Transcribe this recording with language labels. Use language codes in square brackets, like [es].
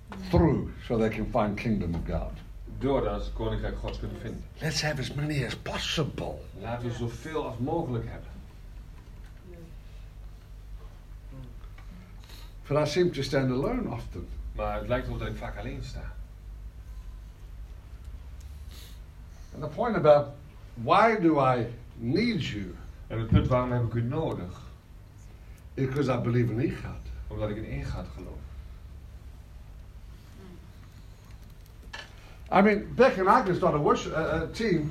[en] Through, so they can find kingdom of God. [nl] Door dat ze het koninkrijk Gods kunnen vinden. [en] Let's have as many as possible. [nl] Laten we zoveel als mogelijk hebben. [en] But I seem to stand alone often. [nl] Maar het lijkt erop dat ik vaak alleen sta. [en] And the point about why do I need you? [nl] En het punt waarom heb ik u nodig? [en] Because I believe in ingaat. [nl] Omdat ik in ingaat geloof. [en] I mean, Beck and I can start a worship team.